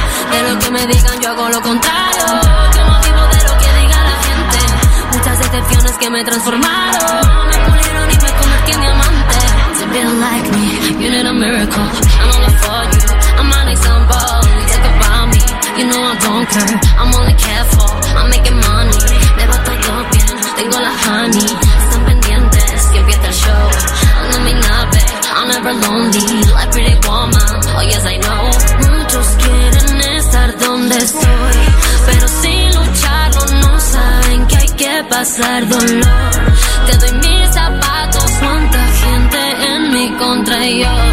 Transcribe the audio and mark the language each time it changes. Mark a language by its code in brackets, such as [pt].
[es] De lo que me digan yo hago lo contrario. Yo no vivo de lo que diga la gente. Muchas excepciones que me transformaron. Me pulieron y me convertí en diamante. [en] To be like me, you need a miracle. I'm all for you, I'm an example. Talk about me, you know I don't care. I'm only careful, I'm making money. [es] Me va todo bien, tengo la honey. Están pendientes, que empieza el show. [en] I'm in my nave, I'm never lonely. Like pretty woman, oh yes I know. [es] Muchos quieren donde estoy, pero sin lucharlo no saben que hay que pasar dolor. Te doy mis zapatos, cuánta gente en mi contra y yo.